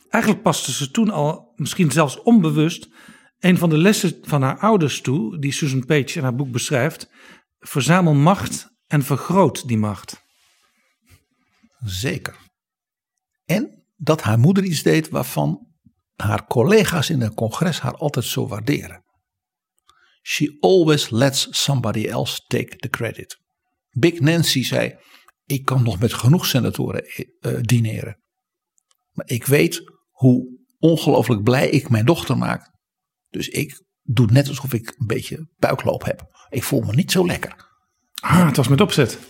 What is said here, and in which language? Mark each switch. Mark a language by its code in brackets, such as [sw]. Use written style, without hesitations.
[nl] Eigenlijk paste ze toen al, misschien zelfs onbewust, een van de lessen van haar ouders toe, die Susan Page in haar boek beschrijft, verzamel macht en vergroot die macht. Zeker. En dat haar moeder iets deed waarvan haar collega's in het congres haar altijd zo waarderen. [en] She always lets somebody else take the credit. [nl] Big Nancy zei, ik kan nog met genoeg senatoren dineren. Maar ik weet hoe ongelooflijk blij ik mijn dochter maak. Dus ik doe net alsof ik een beetje buikloop heb. Ik voel me niet zo lekker. Ah, het was met opzet.